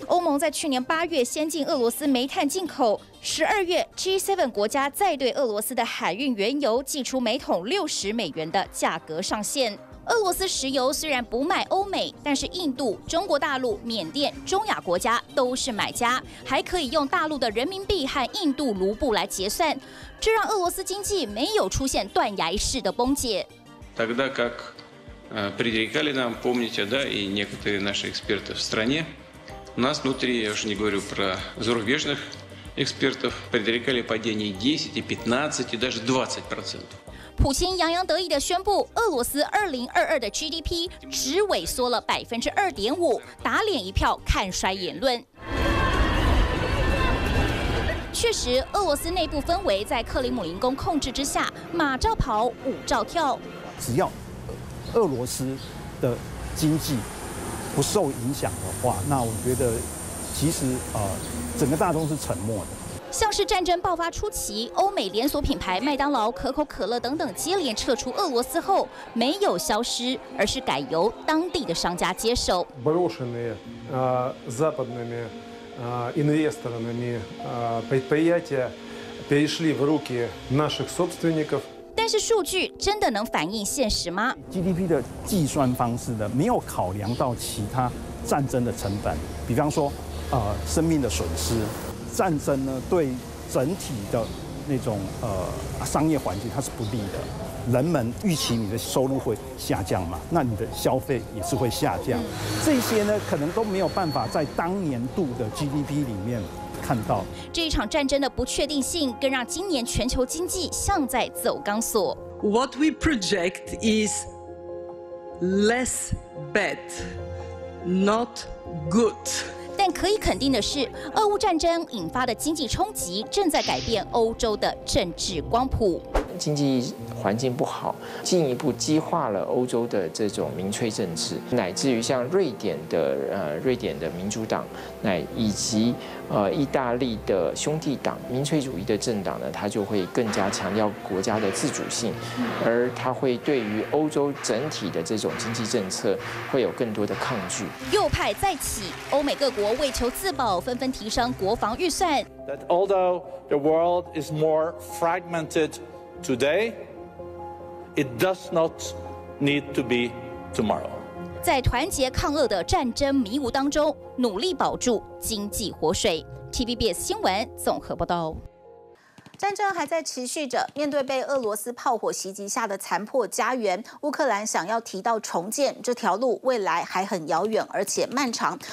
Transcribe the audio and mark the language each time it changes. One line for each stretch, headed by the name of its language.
Chinese: 欧盟在去年8月先禁俄罗斯煤炭进口，12月 G7 国家再对俄罗斯的海运原油寄出每桶60美元的价格上限。俄罗斯石油虽然不卖欧美，但是印度、中国大陆、缅甸、中亚国家都是买家，还可以用大陆的人民币和印度卢布来结算，这让俄罗斯经济没有出现断崖式的崩解。
Russian: Тогда как предрекали нам, помните, да, и некоторые наши эксперты в стране, у нас внутри, я уже не говорю про зарубежных экспертов, предрекали падение 10 и 15 и даже 20%。
Chinese: 普京洋洋得意地宣布，俄罗斯2022的 GDP 只萎缩了2.5%，打脸一票看衰言论。确实，俄罗斯内部氛围在克里姆林宫控制之下，马照跑，舞照跳。只要俄罗斯的经济不受影响的话，那我觉得其实整个大众是沉默的。像是战争爆发初期，欧美连锁品牌麦当劳、可口可乐等等接连撤出俄罗斯后，没有消失，而是改由当地的商家接手。
Russian: брошенные западными инвесторами предприятия перешли в руки наших собственников。
Chinese: 但是数据真的能反映现实吗？GDP 的计算方式呢，没有考量到其他战争的成本，比方说生命的损失。战争呢，对整体的那种商业环境它是不利的。人们预期你的收入会下降嘛，那你的消费也是会下降。这些呢，可能都没有办法在当年度的 GDP 里面看到。这一场战争的不确定性，更让今年全球经济像在走钢索。
English: What we project is less bad, not good.
Chinese: 但可以肯定的是，俄乌战争引发的经济冲击正在改变欧洲的政治光谱。经济环境不好，进一步激化了欧洲的这种民粹政治，乃至于像瑞典的瑞典的民主党，乃以及意大利的兄弟党，民粹主义的政党呢，它就会更加强调国家的自主性，而它会对于欧洲整体的这种经济政策会有更多的抗拒。右派再起，欧美各国为求自保，纷纷提升国防预算。
English: That although the world is more fragmented. Today, it does not need to be tomorrow.
Chinese: 在团结抗俄的战争迷雾当中，努力保住经济活水。 TVBS 新闻综合报道。战争还在持续着，面对被俄罗斯炮火袭击下的残破家园，乌克兰想要提到重建这条路未来还很遥远而且漫长。